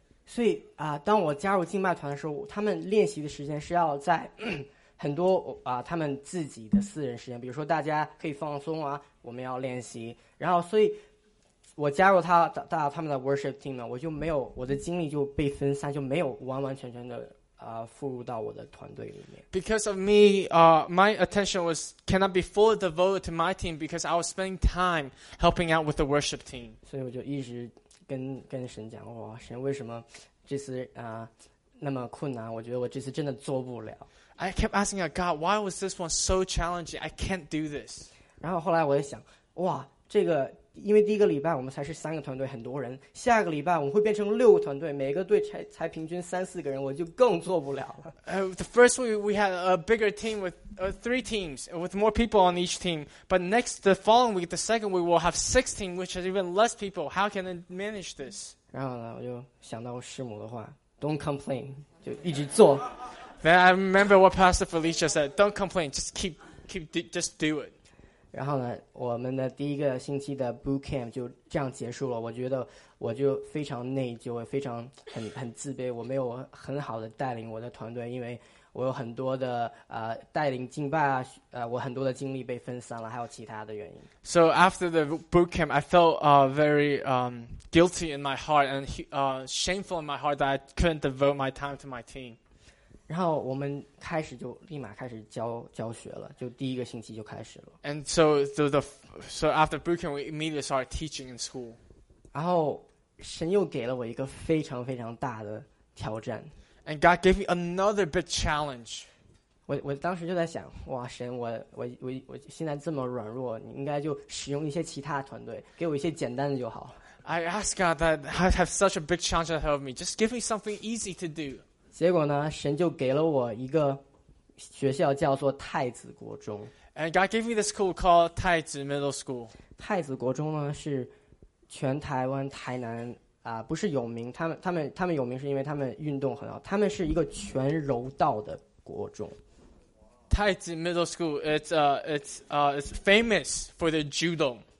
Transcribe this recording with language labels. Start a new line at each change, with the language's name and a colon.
Chinese: 所以啊，当我加入敬拜团的时候，他们练习的时间是要在很多他们自己的私人时间，比如说大家可以放松啊，我们要练习。然后所以我加入他们的
English: worship team
Chinese: 呢，我就没有，我的精力就被分散，就没有完完全全的复入到我的团队里面。
English: Because of me, my attention was cannot be fully devoted to my team because I was spending time helping out with the worship team.
Chinese: 所以我就一直跟神讲，神为什么这次那么困难，我觉得我这次真的做不了。
English: I kept asking God, why was this one so challenging? I can't do this.
Chinese: 然后后来我就想，哇，这个因为第一个礼拜我们才是三个团队，很多人。下个礼拜我们会变成六个团队，每个队才平均三四个人，我就更做不了了。
English: The first week we had a bigger team with three teams with more people on each team. But next, the following week, the second week we'll have six teams, which has even less people. How can I manage this?
Chinese: 然后呢，我就想到我师母的话 ，
English: Don't complain，
Chinese: 就一直做。
English: Then I remember what Pastor Felicia said. Don't complain. Just just do it.
Chinese: 然后呢，我们的第一个星期的 boot camp 就这样结束了。我觉得我就非常内疚，非常很自卑。我没有很好的带领我的团队，因为我有很多的带领敬拜啊，我很多的精力被分散了，还有其他的原因。
English: So after the boot camp, I felt very guilty in my heart and shameful in my heart that I couldn't devote my time to my team.
Chinese: 然后我们开始就立马开始教学了，就第一个星期就开始了。
English: And so so after breaking, we immediately started teaching in school.
Chinese: 然后神又给了我一个非常非常大的挑战。
English: And God gave me another big challenge.
Chinese: 我当时就在想，哇，神，我现在这么软弱，你应该就使用一些其他团队，给我一些简单的就好。
English: I ask God that I have such a big challenge ahead of me. Just give me something easy to do.
Chinese: 结果呢，神就给了我一个学校，叫做太子国中。
English: And God gave me the school called 太子 Middle School.
Chinese: 太子国中呢是全台湾台南不是有名，他们有名是因为他们运动很好，他们是一个全柔道的国中。
English: 太子 Middle School it's famous for the judo.